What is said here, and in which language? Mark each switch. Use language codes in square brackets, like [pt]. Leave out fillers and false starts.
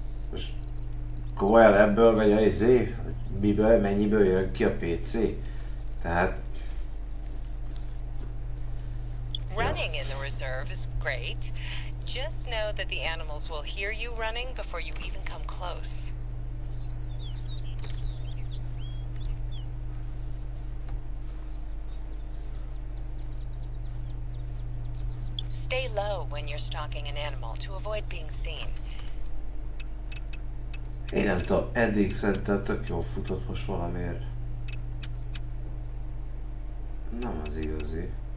[hu] Most Goel ebből megy a izé, hogy miből, mennyiből jön ki a PC. Tehát... [en] Running in the reserve is great. Just know that the animals will hear you running before you even come close. Stay low when you're stalking an animal to avoid being seen. [hu] Én nem tudom, eddig szerintem tök jól futott, most valamiért. Nem az igazi.